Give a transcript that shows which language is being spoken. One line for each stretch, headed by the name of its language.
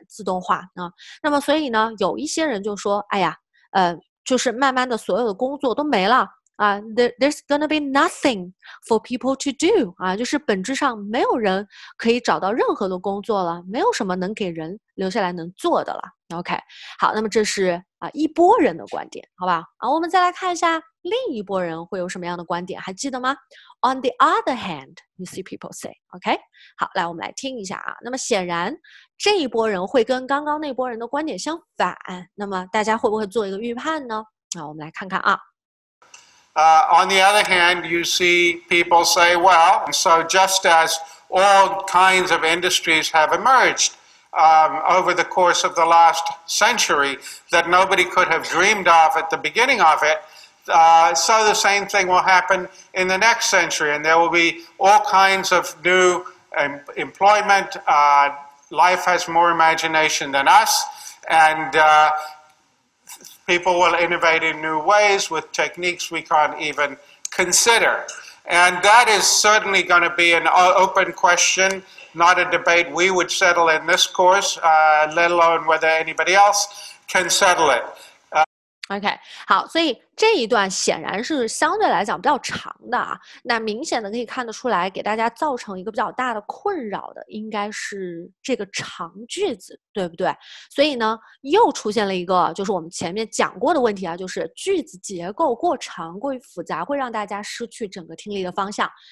Chinese: 自动化、那么所以呢有一些人就说哎呀就是慢慢的所有的工作都没了啊、
English: there's gonna be nothing for people to do
Chinese: 啊，就是本质上没有人可以找到任何的工作了，没有什么能给人留下来能做的了。 OK， 好，那么这是啊一波人的观点，好吧。啊，我们再来看一下另一波人会有什么样的观点，还记得吗？
English: On the other hand, you see people say, OK?
Chinese: 好，来，我们来听一下啊。那么显然，这一波人会跟刚刚那波人的观点相反。那么大家会不会做一个预判呢？啊，我们来看看啊。
English: On the other hand, you see people say, well, so just as all kinds of industries have emerged, over the course of the last century that nobody could have dreamed of at the beginning of it, so the same thing will happen in the next century, and there will be all kinds of new employment. Life has more imagination than us, and people will innovate in new ways with techniques we can't even consider. And that is certainly going to be an open question, not a debate we would settle in this course, let alone whether anybody else can settle it.
Chinese: OK， 好，所以这一段显然是相对来讲比较长的啊。那明显的可以看得出来，给大家造成一个比较大的困扰的应该是这个长句子，对不对？所以呢，又出现了一个就是我们前面讲过的问题啊，就是句子结构过长、过于复杂，会让大家失去整个听力的方向。